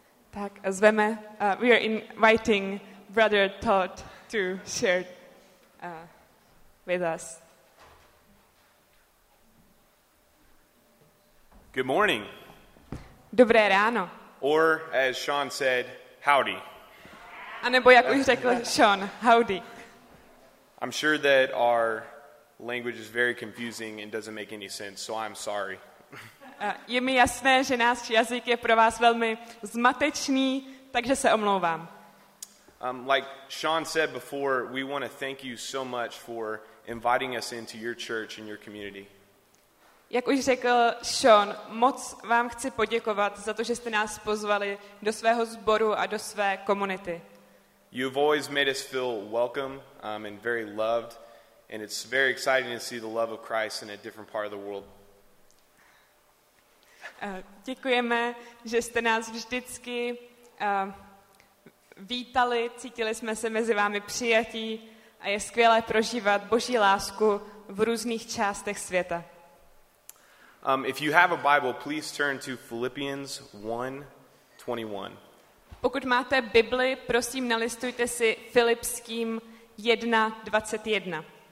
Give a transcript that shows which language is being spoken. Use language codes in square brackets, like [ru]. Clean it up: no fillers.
[cs] Tak zveme, [en] we are inviting brother Todd to share with us. Good morning. [cs] Dobré ráno. [en] Or as Sean said, howdy. [cs] A nebo jak už řekl Sean, howdy. [en] I'm sure that our language is very confusing and doesn't make any sense, so I'm sorry. [cs] Je mi jasné, že náš jazyk je pro vás velmi zmatečný, takže se omlouvám. [en] Like Sean said before, we want to thank you so much for inviting us into your church and your community. [cs] Jak už řekl Sean, moc vám chci poděkovat za to, že jste nás pozvali do svého sboru a do své komunity. [en] You've always made us feel welcome and very loved, and it's very exciting to see the love of Christ in a different part of the world. [cs] Děkujeme, že jste nás vždycky vítali, cítili jsme se mezi vámi přijatí a je skvělé prožívat Boží lásku v různých částech světa. [en] If you have a Bible, please turn to Philippians 1:21. [cs] Pokud máte Bibli, prosím nalistujte si Filipským 1:21.